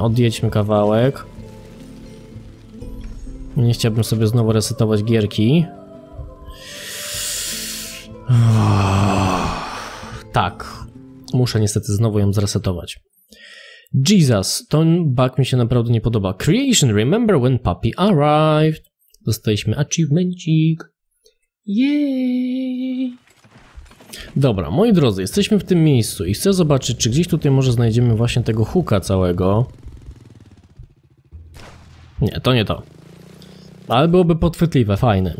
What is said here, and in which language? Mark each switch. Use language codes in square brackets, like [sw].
[pl] Odjedźmy kawałek. Nie chciałbym sobie znowu resetować gierki. Tak. Muszę niestety znowu ją zresetować. Jesus, to bug mi się naprawdę nie podoba. [en] Creation, remember when puppy arrived? [pl] Dostaliśmy achievementik. Yay! Dobra, moi drodzy, jesteśmy w tym miejscu i chcę zobaczyć, czy gdzieś tutaj może znajdziemy właśnie tego huka całego. Nie, to nie to. Ale byłoby podchwytliwe, fajne.